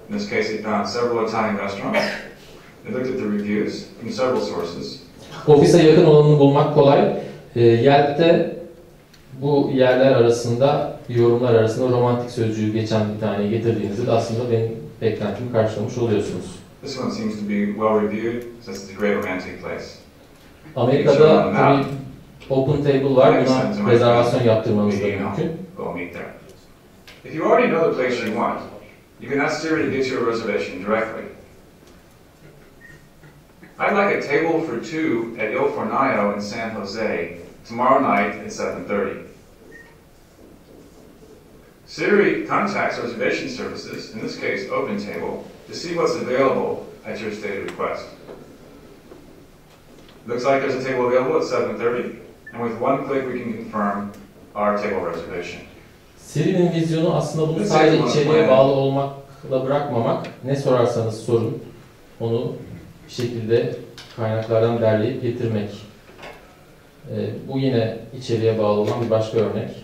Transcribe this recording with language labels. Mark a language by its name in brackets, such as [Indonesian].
[English] In this case, it found several Italian restaurants. It looked at the reviews from several sources. [Turkish] Ofise yakın olanını bulmak kolay. Yelp'te bu yerler arasında, yorumlar arasında romantik sözcüğü geçen bir tane getirdiğinizde aslında benim beklentimi karşılamış oluyorsunuz. [English] This one seems to be well reviewed, so it's a great romantic place. [Turkish] Amerika'da tabii open table var, buna rezervasyon yaptırmanız da mümkün. If you already know the place you want, you can ask Siri to get you a reservation directly. I'd like a table for two at Il Fornaio in San Jose tomorrow night at 7:30. Siri contacts reservation services, in this case open table, to see what's available at your stated request. Looks like there's a table available at 7:30, and with one click we can confirm our table reservation. Siri'nin vizyonu aslında bunu sadece içeriğe bağlı olmakla bırakmamak. Ne sorarsanız sorun, onu bir şekilde kaynaklardan derleyip getirmek. Bu yine içeriğe bağlı olan bir başka örnek.